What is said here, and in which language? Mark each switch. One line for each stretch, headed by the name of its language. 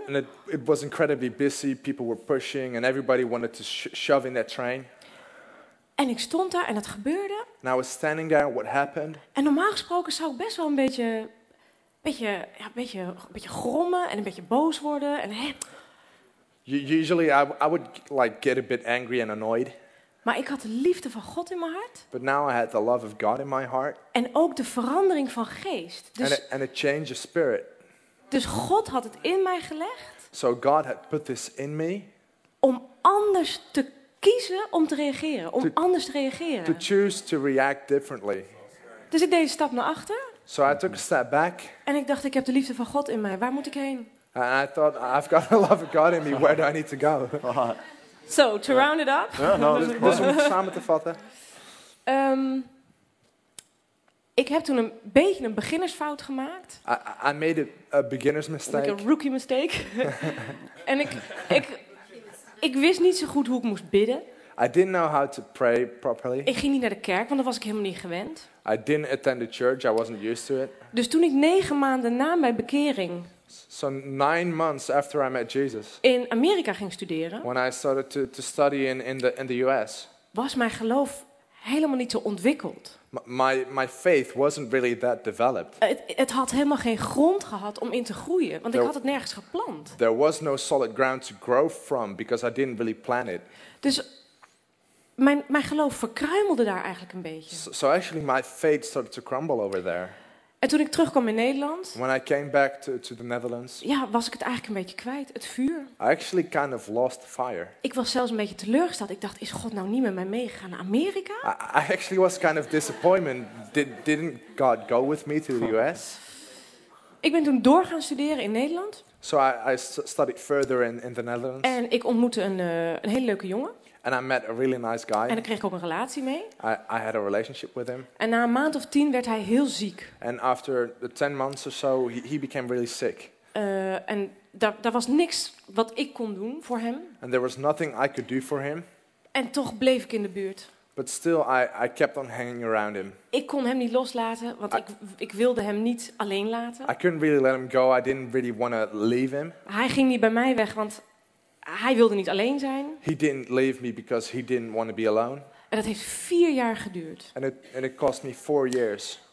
English: And it was incredibly busy. People were pushing and everybody wanted to shove in that train.
Dutch: En ik stond daar en dat gebeurde.
English: And I was standing there. What happened?
Dutch: En normaal gesproken zou ik best wel een beetje grommen en een beetje boos worden en hè.
English: Usually I would like get a bit angry and annoyed.
Dutch: Maar ik had de liefde van God in mijn hart.
English: But now I had the love of God in my heart.
Dutch: En ook de verandering van geest. Dus,
English: and a change of spirit.
Dutch: Dus God had het in mij gelegd.
English: So God had put this in me.
Dutch: Om anders te kiezen om te reageren, om anders te reageren.
English: To choose to react differently.
Dutch: Dus ik deed een stap naar achter.
English: So I took a step back.
Dutch: En ik dacht, ik heb de liefde van God in mij. Waar moet ik heen?
English: And I thought, I've got the love of God in me. Where do I need to go? So, to round it up.
Dutch: Samen te vatten. Ik heb toen een beetje een beginnersfout gemaakt.
English: I made a beginner's mistake. Like a rookie mistake.
Dutch: En ik wist niet zo goed hoe ik moest bidden.
English: I didn't know how to pray properly.
Dutch: Ik ging niet naar de kerk, want dat was ik helemaal niet gewend.
English: I didn't attend the church. I wasn't used to it.
Dutch: Dus toen ik 9 maanden na mijn bekering
English: So 9 months after I met Jesus,
Dutch: in Amerika ging studeren,
English: when I started to study in the US,
Dutch: was mijn geloof helemaal niet zo ontwikkeld.
English: My faith wasn't really that developed.
Dutch: Het had helemaal geen grond gehad om in te groeien, want ik had het nergens gepland.
English: There was no solid ground to grow from because I didn't really plant it.
Dutch: Dus mijn geloof verkruimelde daar eigenlijk een beetje.
English: So actually my faith started to crumble over there.
Dutch: En toen ik terugkwam in Nederland,
English: when I came back to the Netherlands,
Dutch: ja, was ik het eigenlijk een beetje kwijt, het vuur.
English: I actually kind of lost fire.
Dutch: Ik was zelfs een beetje teleurgesteld. Ik dacht, is God nou niet met mij meegegaan naar Amerika?
English: I actually was kind of disappointed. Didn't God go with me to the US?
Dutch: Ik ben toen door gaan studeren in Nederland.
English: So I studied further in the Netherlands.
Dutch: En ik ontmoette een hele leuke jongen.
English: And I met a really nice guy.
Dutch: En dan kreeg ik ook een relatie mee.
English: I had a relationship with him.
Dutch: En na een maand of 10 werd hij heel ziek.
English: And after 10 months or so, he became really sick.
Dutch: En daar was niks wat ik kon doen voor hem.
English: And there was nothing I could do for him.
Dutch: En toch bleef ik in de buurt.
English: But still, I kept on hanging around him.
Dutch: Ik kon hem niet loslaten, want ik wilde hem niet alleen laten.
English: I couldn't really let him go. I didn't really want to leave him.
Dutch: Hij ging niet bij mij weg, want hij wilde niet alleen zijn.
English: He didn't leave me because he didn't want to be alone.
Dutch: En dat heeft 4 jaar geduurd.
English: And it cost me 4 years.